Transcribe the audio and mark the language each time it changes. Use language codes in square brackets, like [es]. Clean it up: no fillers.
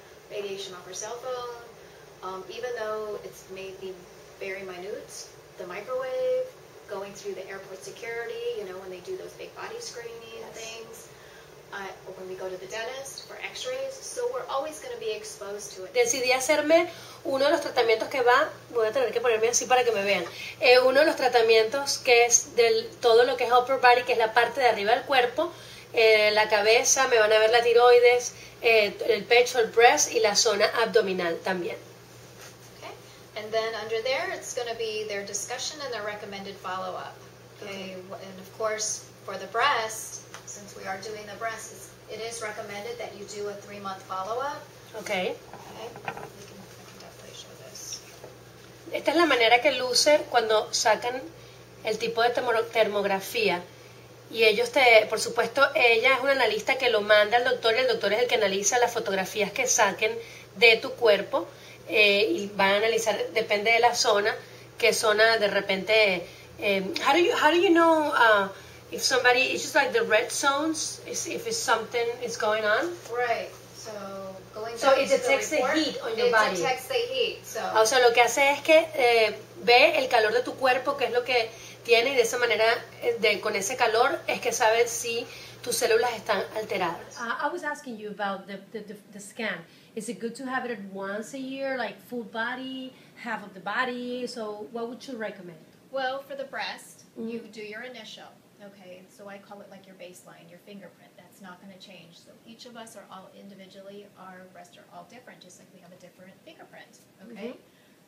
[en] Radiation off our cell phone. Even though it's maybe very minute, the microwave, going through the airport security, you know, when they do those big body screening things, or when we go to the dentist for x-rays, so we're always going to be exposed to it. [es] Decidí hacerme uno de los tratamientos que va, voy a tener que ponerme así para que me vean, uno de los tratamientos que es del todo lo que es upper body, que es la parte de arriba del cuerpo, la cabeza, me van a ver la tiroides, el pecho, el breast, y la zona abdominal también. [en] And then under there, it's going to be their discussion and their recommended follow-up. Okay. Okay. And of course, for the breast, since we are doing the breast, it is recommended that you do a 3-month follow-up. Okay. Okay. I can definitely show this. [es] Esta es la manera que luce cuando sacan el tipo de termografía. Y ellos te, por supuesto, ella es una analista que lo manda al doctor, y el doctor es el que analiza las fotografías que saquen de tu cuerpo. Y van a analizar, depende de la zona, qué zona de repente, [en] how do you know if somebody, it's just like the red zones, if it's something is going on? Right, so it detects the heat on your body. It detects the heat, so. [es] O sea, lo que hace es que ve el calor de tu cuerpo, qué es lo que tiene, y de esa manera, con ese calor, es que sabes si tus células están alteradas. [en] I was asking you about the scan. Is it good to have it once a year, like full body, half of the body? So what would you recommend? Well, for the breast, mm-hmm, you do your initial. Okay, so I call it like your baseline, your fingerprint. That's not going to change. So each of us are all individually, our breasts are all different, just like we have a different fingerprint. Okay? Mm-hmm.